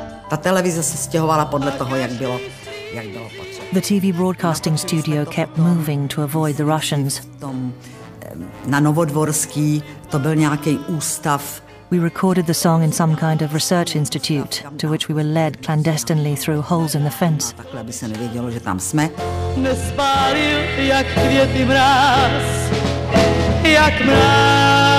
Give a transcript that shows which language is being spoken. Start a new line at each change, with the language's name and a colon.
Czech: Ta televize se stěhovala podle toho, jak bylo potřeba.
English: The TV broadcasting studio kept moving to avoid the Russians.
Czech: Na Novodvorský to byl nějaký ústav.
English: We recorded the song in some kind of research institute to which we were led clandestinely through holes in the fence.
Czech: Takhle by se nevědělo, že tam jsme. Nespálil jak květy mráz, jak mráz.